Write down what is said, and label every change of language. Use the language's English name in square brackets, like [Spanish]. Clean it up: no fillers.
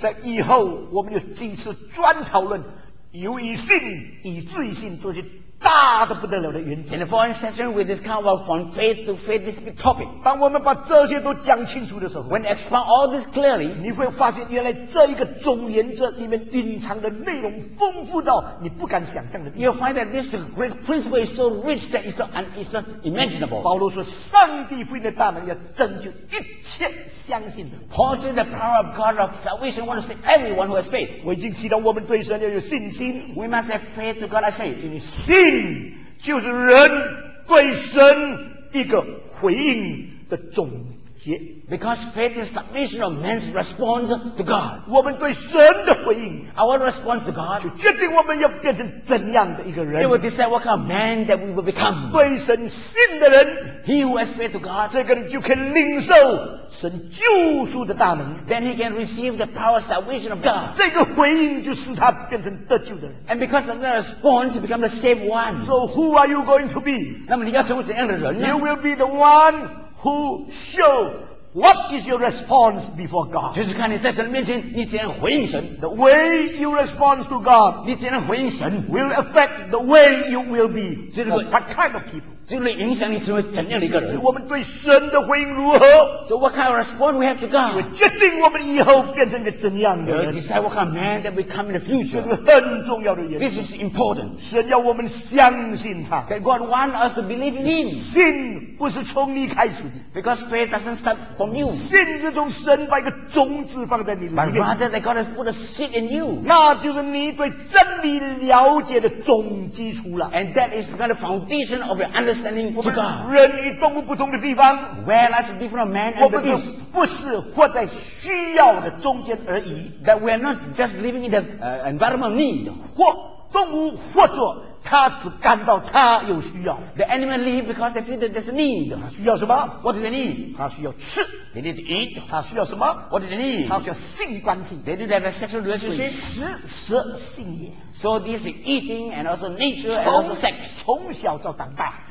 [Chinese] 在以后我们有几次专讨论由于信以至于信这些大的不得了的原则 [English] in the following session we discover from faith to faith this big topic [Chinese] 当我们把这些都讲清楚的时候 [English] when expand all this clearly [Chinese] 你会发现原来这一个总原则里面隐藏的内容丰富到你不敢想象的 [English] you'll find that this great principle is so rich that it's not imaginable [Chinese] 保罗说上帝福音的大能要拯救一切相信的 [English] Paul said the power of God of salvation want to save everyone who has faith [Chinese] 我已经提到我们对神要有信心 [English] we must have faith to God I say [Chinese] 因为信信就是人对神一个回应的总结。 [English] Because faith is the mission of man's response to God. [Chinese] 我们对神的回应 [English] ，our response to God， [Chinese] 就决定我们要变成怎样的一个人。 [English] It will decide what kind of man that we will become. [Chinese] 对神信的人 [English] ，He who has faith to God， [Chinese] 这个人就可以领受神救赎的大能。 [English] Then he can receive the power of salvation of God. [Chinese] 这个回应就使他变成得救的人。 [English] And because of that response, he becomes the saved one. So who are you going to be? [Chinese] 那么你要成为怎样的人呢 [English] ？You will be the one who show. What is your response before God? [Chinese] 就是看你在神面前，你怎样回应神。 [English] The way you respond to God, [Chinese] 你怎样回应神 [English] ，will affect the way you will be. [Chinese] 这个 [English] what kind of people? [Chinese] 就能影响你成为怎样的一个人？我们对神的回应如何 [English] ？So what kind of response we have to God？ [Chinese] 就决定我们以后变成一个怎样的人 [English] ？Decide what kind of man that we become in the future。 [Chinese] 这个很重要的原 [English] 因。This is important。 [Chinese] 神要我们相信他。 [English] That God wants us to believe in Him。 [Chinese] 信不是从你开始。 [English] Because faith doesn't start from you。 [Chinese] 信是从神把一个种子放在你里面。 [English] But rather that God has put a seed in you。 [Chinese] 那就是你对真理了解的总基础了。 [English] And that is the kind of foundation of your understanding。 [Chinese] 人与动物不同的地方 [English] ，Where is different man and beast？ [Chinese] 我们是不是活在需要的中间而已 [English] ？That we are not just living in the environment need。 [Chinese] 或动物或者它只感到它有需要 [English] ，The animal live because they feel that there's need。 [Chinese] 它需要什么 [English] ？What do they need？ [Chinese] 它需要吃 [English] ，They need to eat。 [Chinese] 它需要什么 [English] ？What do they need？ [Chinese] 它需要性关系 [English] ，They need to have a sexual relationship。 [Chinese] 食性也。 [English] So this is eating and also nature and also sex。 [Chinese] 从小到长大。